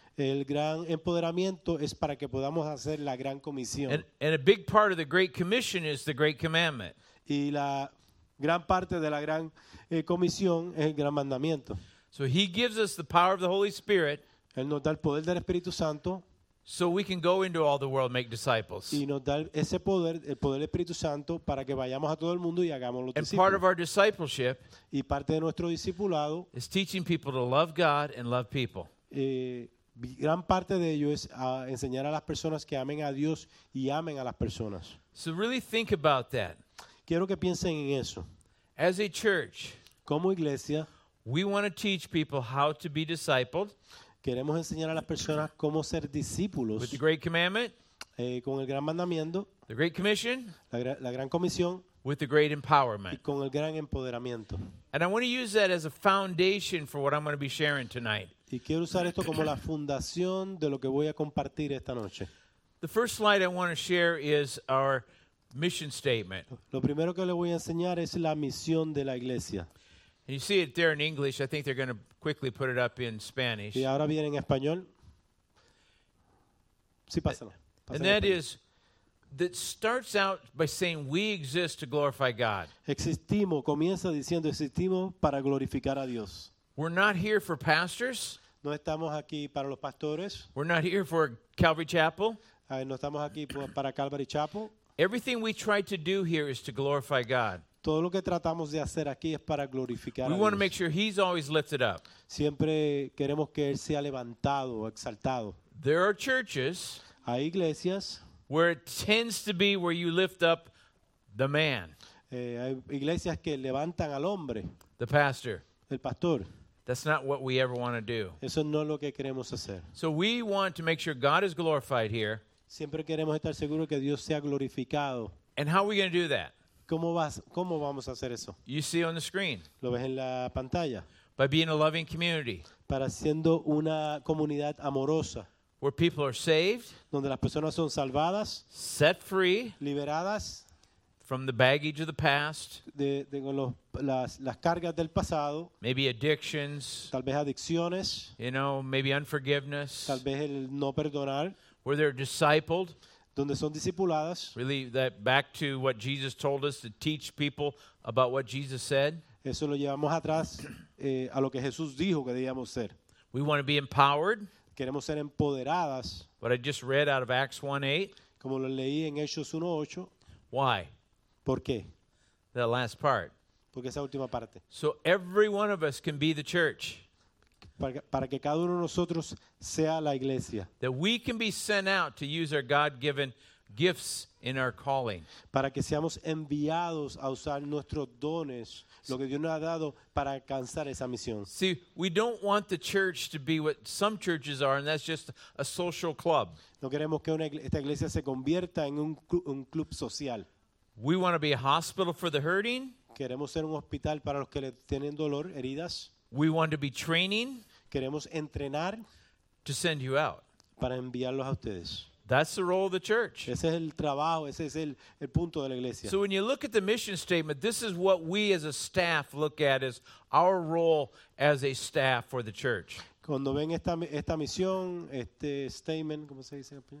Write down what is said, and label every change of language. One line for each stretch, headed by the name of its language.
Spanish: El gran empoderamiento es para que podamos hacer la gran comisión.
English: And a big part of the great commission is the great commandment.
Spanish: Y la gran parte de la gran comisión es el gran mandamiento.
English: So he gives us the power of the Holy Spirit.
Spanish: Él nos da el poder del Espíritu Santo.
English: So we can go into all the world and make disciples.
Spanish: Y nos da ese poder, el poder del Espíritu Santo, para que vayamos a todo el mundo y hagamos los discípulos.
English: And part of our discipleship,
Spanish: y parte de nuestro discipulado,
English: is teaching people to love God and love people.
Spanish: Gran parte de ello es enseñar a las personas que amen a Dios y amen a las personas.
English: So really think about that.
Spanish: Quiero que piensen en eso.
English: As a church,
Spanish: como iglesia,
English: we want to teach people how to be discipled.
Spanish: Queremos enseñar a las personas cómo ser discípulos.
English: With the great commandment,
Spanish: con el gran mandamiento.
English: The great commission,
Spanish: la gran comisión.
English: With the great empowerment,
Spanish: y con el gran empoderamiento.
English: And I want to use that as a foundation for what I'm going to be sharing tonight.
Spanish: Y quiero usar esto como la fundación de lo que voy a compartir esta noche.
English: The first slide I want to share is our mission statement.
Spanish: Lo primero que le voy a enseñar es la misión de la iglesia.
English: And you see it there in English. I think they're going to quickly put it up in Spanish.
Spanish: Y ahora viene en español. Sí, pásalo.
English: And that is, that starts out by saying we exist to glorify God.
Spanish: Existimos, comienza diciendo existimos para glorificar a Dios.
English: We're not here for pastors.
Spanish: No estamos aquí para los pastores.
English: We're not here for Calvary Chapel.
Spanish: No estamos aquí para Calvary Chapel.
English: Everything we try to do here is to glorify God.
Spanish: Todo lo que tratamos de hacer aquí es para glorificar a Dios.
English: We want to make sure He's always lifted up.
Spanish: Siempre queremos que Él sea levantado, exaltado.
English: There are churches.
Spanish: Hay iglesias.
English: Where it tends to be where you lift up the man.
Spanish: Hay iglesias que levantan al hombre.
English: The pastor.
Spanish: El pastor.
English: That's not what we ever want to do.
Spanish: Eso no es lo que queremos hacer.
English: So we want to make sure God is glorified here.
Spanish: Siempre queremos estar seguros que Dios sea glorificado.
English: And how are we going to do that?
Spanish: ¿Cómo vamos a hacer eso?
English: You see on the screen.
Spanish: Lo ves en la pantalla.
English: By being a loving community.
Spanish: Para siendo una comunidad amorosa.
English: Where people are saved.
Spanish: Donde las personas son salvadas.
English: Set free.
Spanish: Liberadas.
English: From the baggage of the past.
Spanish: De las cargas del pasado.
English: Maybe addictions.
Spanish: Tal vez adicciones.
English: You know, maybe unforgiveness.
Spanish: Tal vez el no perdonar.
English: Where they're discipled.
Spanish: Donde son discipuladas.
English: Really, that back to what Jesus told us to teach people about what Jesus said.
Spanish: Eso lo llevamos atrás a lo que Jesús dijo que debíamos ser.
English: We want to be empowered.
Spanish: Queremos ser empoderadas.
English: What I just read out of Acts 1:8.
Spanish: Como lo leí en Hechos 1:8.
English: Why?
Spanish: ¿Por qué?
English: The last part.
Spanish: Porque esa última parte.
English: So every one of us can be the church.
Spanish: Para que cada uno de nosotros sea la iglesia.
English: That we can be sent out to use our God-given gifts in our calling.
Spanish: Para que seamos enviados a usar nuestros dones, lo que Dios nos ha dado para alcanzar esa misión.
English: See, we don't want the church to be what some churches are, and that's just a social club.
Spanish: No queremos que esta iglesia se convierta en un club social.
English: We want to be a hospital for the hurting.
Spanish: Queremos ser un hospital para los que tienen dolor, heridas.
English: We want to be training.
Spanish: Queremos entrenar.
English: To send you out.
Spanish: Para enviarlos a ustedes.
English: That's the role of the church.
Spanish: Ese es el trabajo, ese es el punto de la iglesia.
English: So when you look at the mission statement, this is what we as a staff look at as our role as a staff for the church.
Spanish: Cuando ven esta misión, este statement, ¿cómo se dice?